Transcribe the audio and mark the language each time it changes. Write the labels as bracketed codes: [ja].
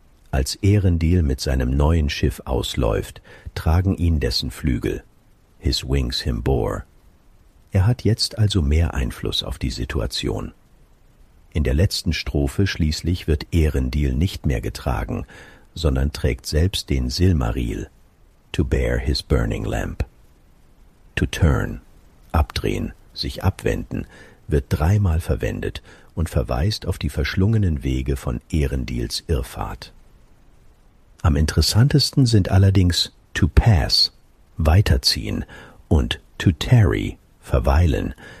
[de] Als Erendil mit seinem neuen Schiff ausläuft, tragen ihn dessen Flügel. [en] His wings him bore. [de] Er hat jetzt also mehr Einfluss auf die Situation. In der 7. Strophe schließlich wird Erendil nicht mehr getragen, sondern trägt selbst den Silmaril. [en] To bear his burning lamp. [de] To turn, abdrehen, sich abwenden, wird 3-mal verwendet und verweist auf die verschlungenen Wege von Erendils Irrfahrt. Am interessantesten sind allerdings to pass, weiterziehen, und to tarry, verweilen.